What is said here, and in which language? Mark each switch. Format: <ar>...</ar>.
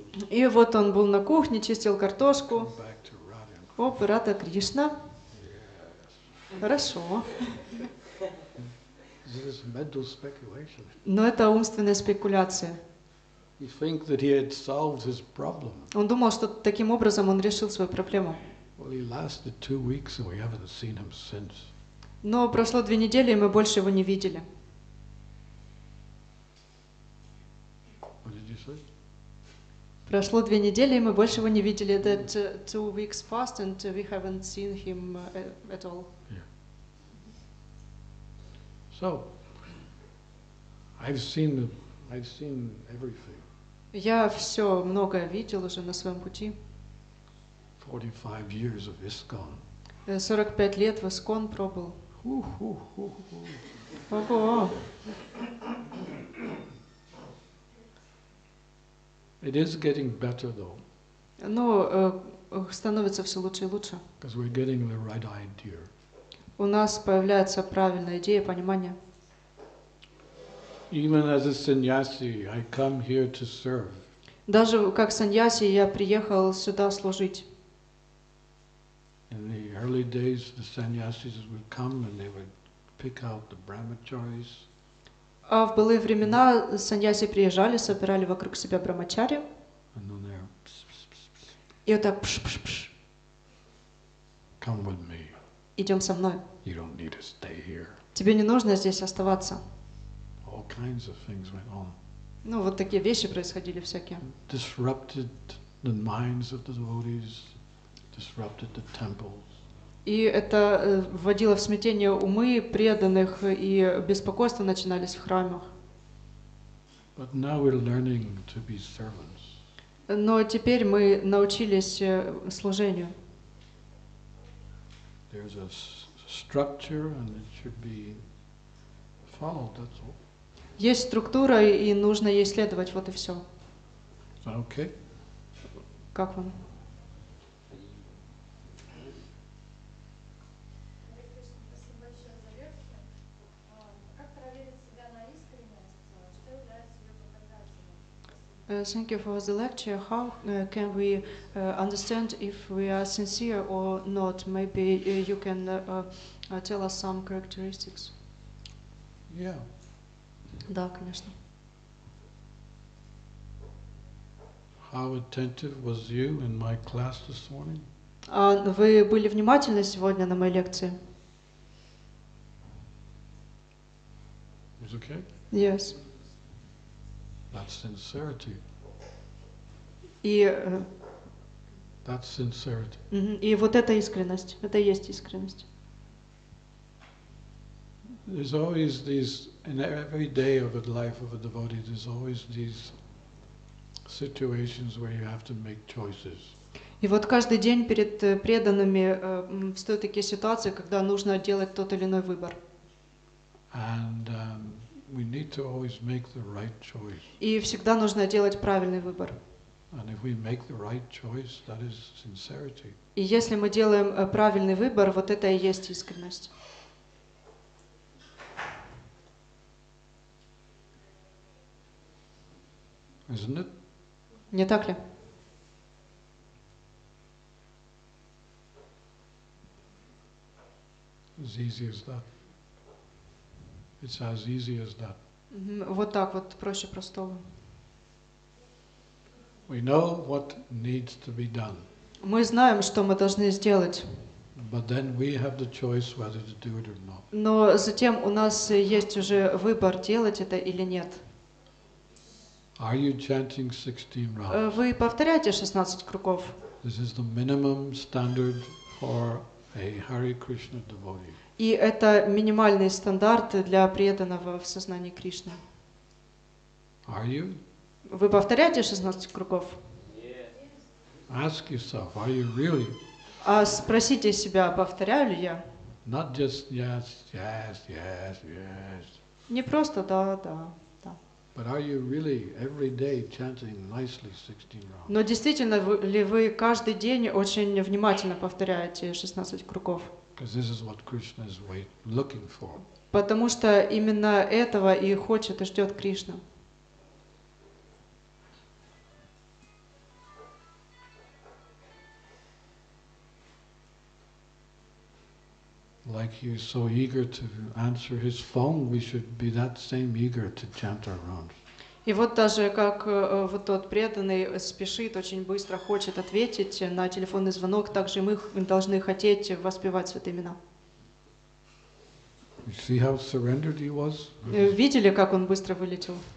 <ru>И вот он был на кухне, чистил картошку. Оп, Рада Кришна. Хорошо.</ru> <en>This is mental speculation.</en> <ru>Но это умственная спекуляция.</ru> <en>He think that he had solved his problem.</en> <ru>Он думал, что таким образом он решил свою проблему.</ru> <en>Well, he lasted 2 weeks and we haven't seen him since.</en> <ru>Но прошло 2 недели, и мы больше его не видели.</ru> <en>What did you say?</en> <ru>Прошло 2 недели, и мы больше его не видели.</ru> <en>That 2 weeks passed and we haven't seen him at all. So, I've seen everything.</en> <ru>Я все многое видел уже на своем пути.</ru> <en>45 years of ISKCON.</en> <ru>45 лет в ISKCON пробыл. Ого.</ru> <en>It is getting better though.</en> <ru>Но становится все лучше и лучше.</ru> <en>Because we're getting the right idea.</en> <ru>У нас появляется правильная идея, понимание.</ru> <en>Even as a sannyasi, I come here to serve.</en> <ru>Даже как саньяси я приехал сюда служить.</ru> <en>In the early days, the sannyasis would come and they would pick out the brahmacharis.</en> <ru>А в былые времена саньяси приезжали, собирали вокруг себя брахмачари.</ru> <en>And then they're.</en> <ru>И вот так пш-пш-пш.</ru> <en>Come with me.</en> <ru>Идем со мной.</ru> <en>You don't need to stay here.</en> <ru>Тебе не нужно здесь оставаться.</ru> <en>All kinds of things went on.</en> <ru>Ну, вот такие вещи происходили всякие.</ru> <en>Disrupted the minds of the devotees, disrupted the temples.</en> <ru>И это вводило в смятение умы преданных, и беспокойства начинались в храмах.</ru> <en>But now we're learning to be servants.</en> <ru>Но теперь мы научились служению.</ru> <en>There's a structure and it should be followed, that's all.</en> <ru>Есть структура, и нужно ей следовать, вот и все.</ru> <en>Okay.</en> <ru>Как вам?</ru> <en>Thank you for the lecture. How can we understand if we are sincere or not? Maybe you can tell us some characteristics. Yeah.</en> <ru>Да, конечно.</ru> <en>How attentive was you in my class this morning?</en> <ru>Вы были внимательны сегодня на моей лекции?</ru> <en>Is okay? Yes. That's sincerity.</en> <ru>И,</ru> <en>That's sincerity.</en> <ru>И вот эта искренность, это и есть искренность.</ru> <en>There's always these, in every day of the life of a devotee, there's always these situations where you have to make choices.</en> <ru>И вот каждый день перед преданными встают такие ситуации, когда нужно делать тот или иной выбор.</ru> <en>And we need to always make the right choice.</en> <ru>И всегда нужно делать правильный выбор.</ru> <en>And if we make the right choice, that is sincerity.</en> <ru>И если мы делаем правильный выбор, вот это и есть искренность.</ru> <en>Isn't it?</en> <ru>Не так ли?</ru> <en>As easy as that. It's as easy as that.</en> <ru>Вот так вот, проще простого.</ru> <en>We know what needs to be done.</en> <ru>Мы знаем, что мы должны сделать.</ru> <en>But then we have the choice whether to do it or not.</en> <ru>Но затем у нас есть уже выбор, делать это или нет.</ru> <en>Are you chanting 16 rounds?</en> <ru>Вы повторяете 16 кругов?</ru> <en>This is the minimum standard for a Hare Krishna devotee.</en> <ru>И это минимальный стандарт для преданного в сознании Кришны.</ru> <en>Are you?</en> <ru>Вы повторяете 16 кругов?</ru> <en>Ask yourself, are you really?</en> <ru>А спросите себя, повторяю ли я?</ru> <en>Not just yes, yes, yes, yes.</en> <ru>Не просто да, да, да.</ru> <en>But are you really every day chanting nicely 16 rounds?</en> <ru>Но действительно ли вы каждый день очень внимательно повторяете 16 кругов?</ru> <en>Because this is what Krishna is looking for.</en> <ru>Потому что именно этого и хочет и ждет Кришна.</ru> <en>Like he is so eager to answer his phone, we should be that same eager to chant our rounds.</en> <ru>И вот даже как вот тот преданный спешит, очень быстро хочет ответить на телефонный звонок, так же мы должны хотеть воспевать святые имена.</ru> <en>You see how surrendered he was?</en> <ru>Видели, как он быстро вылетел?</ru>